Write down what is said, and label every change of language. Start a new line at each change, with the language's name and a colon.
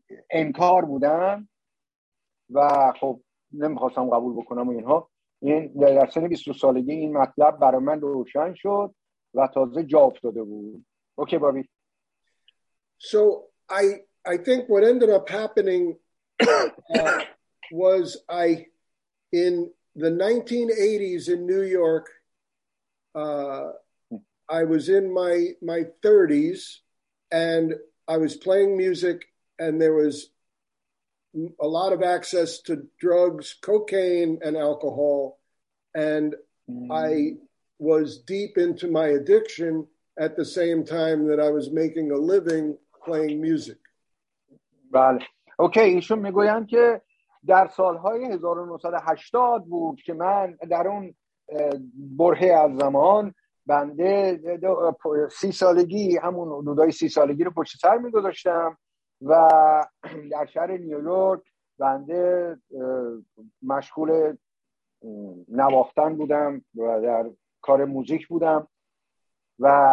Persian: انکار بودم و خب نمیخواستم قبول بکنم و اینها این در سن 22 سالگی این مطلب برای من روشن شد و تازه جا افتاده بود.
English: Okay, Bobby. So I think what ended up happening was I, in the 1980s in New York, I was in my 30s and I was playing music and there was a lot of access to drugs, cocaine and alcohol. And I was deep into my addiction at the same time that I was making a living playing music.
Persian: بله. اوکی ایشون میگویند که در سالهای 1980 بود که من در اون برهه از زمان بنده 30 سالگی همون حدودای 30 سالگی رو پشت سر میگذاشتم و در شهر نیویورک بنده مشغول نواختن بودم و در کار موزیک بودم و